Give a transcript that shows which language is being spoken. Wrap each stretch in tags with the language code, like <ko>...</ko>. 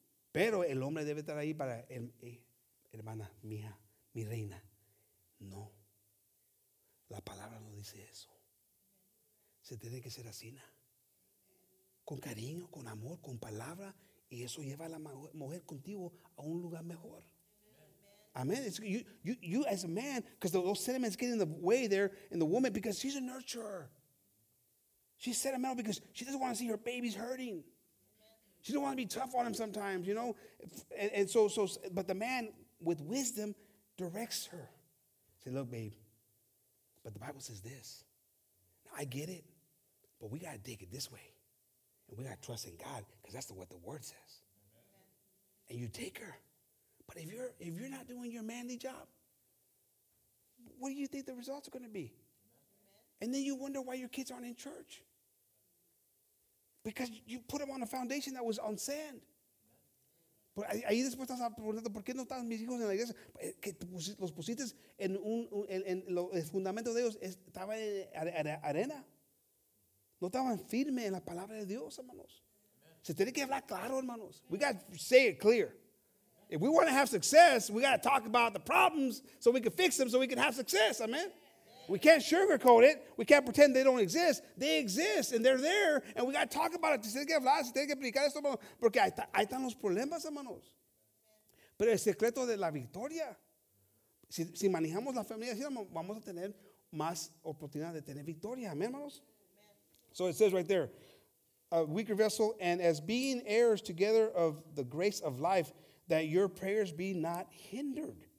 <es>Pero el hombre debe estar ahí para, hermana, mija, mi reina. No. La palabra no dice eso. Se tiene que ser así, ¿no? Con cariño, con amor, con palabra. Y eso lleva a la mujer contigo a un lugar mejor. Amen.</es> <en>It's you as a man, because those sentiments get in the way there in the woman, because she's a nurturer. She's sentimental because she doesn't want to see her babies hurting. She doesn't want to be tough on them sometimes, you know. And so, but the man with wisdom directs her. Say, look, babe, but the Bible says this. Now, I get it, but we got to dig it this way. And we got to trust in God, because that's what the word says. Amen. And you take her. But if you're not doing your manly job, what do you think the results are going to be? Amen. And then you wonder why your kids aren't in church. Because you put them on a foundation that was on sand.</en> <es>Ahí después estás preguntando, ¿por qué no están mis hijos en la iglesia? Que los pusiste en el fundamento de ellos estaba en arena. No estaban firmes en la palabra de Dios, hermanos. Se tiene que hablar claro, hermanos.</es> <en>We got to say it clear. If we want to have success, we got to talk about the problems so we can fix them so we can have success. Amen. We can't sugarcoat it. We can't pretend they don't exist. They exist and they're there, and we got to talk about it.</en> <es>Se tiene que hablar, se tiene que explicar esto, porque ahí están los problemas, hermanos. Pero el secreto de la victoria, si manejamos la familia, vamos a tener más oportunidad de tener victoria. Amen, hermanos.</es> <en>So it says right there, a weaker vessel, and as being heirs together of the grace of life, that your prayers be not hindered.</en>